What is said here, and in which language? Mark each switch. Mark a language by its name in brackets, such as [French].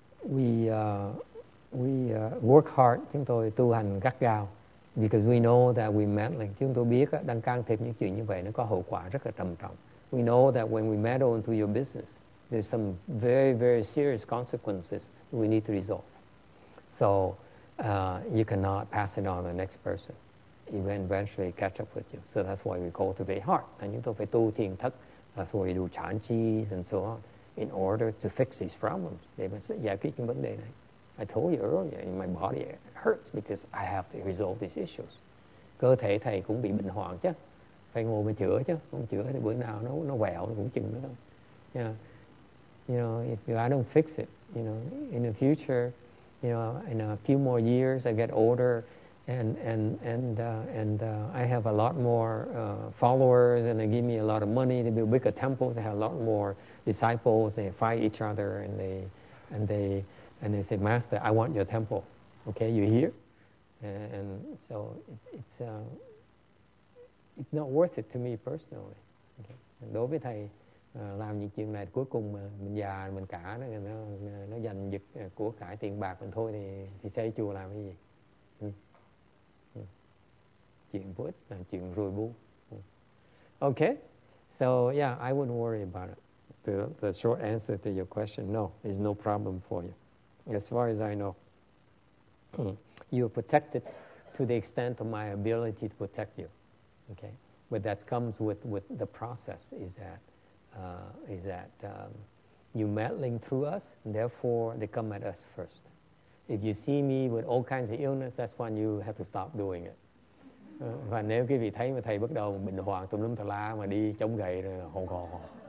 [English] We work hard, [Vietnamese] chúng tôi tu hành gắt gao, [English] because we know that we meddle. [Vietnamese] Chúng tôi biết đang can thiệp những chuyện như vậy nó có hậu quả rất là trầm trọng. [English] We know that when we meddle into your business, there's some very very serious consequences we need to resolve. So you cannot pass it on to the next person. It will eventually catch up with you. So that's why we cultivate heart. [Vietnamese] And chúng tôi phải tu thiền thất. [English] That's why we do chan chi and so on in order to fix these problems. They must say, yeah, [Vietnamese] giải quyết vấn đề này. [English] I told you earlier, my body hurts because I have to resolve these issues. [Vietnamese] Cơ thể thầy cũng bị bệnh hoạn chứ. Phải ngồi mà chữa chứ. Không chữa thì bữa nào nó vẹo cũng chừng nữa. [English] Yeah. You know, if I don't fix it, you know, in the future, you know, in a few more years, I get older and I have a lot more followers, and they give me a lot of money. They build bigger temples. They have a lot more disciples. They fight each other and they say, Master, I want your temple. Okay, you hear? And so it's not worth it to me personally. Okay. [Vietnamese] Đối với thầy, làm những chuyện này cuối cùng mình già mình cả nó giành giật của cải tiền bạc mình thôi thì xây chùa làm cái gì? Chuyện vô ích là chuyện rồi bu. [English] Okay, so yeah, I wouldn't worry about it. The short answer to your question, no, there's no problem for you. As far as I know, you are protected to the extent of my ability to protect you. Okay, but that comes with the process is that you meddling through us, and therefore they come at us first. If you see me with all kinds of illness, that's when you have to stop doing it. [Vietnamese] Và nếu quý vị thấy mà thầy bắt đầu bệnh hoạn tùm lum tà la mà đi chống gậy rồi hò hò hò.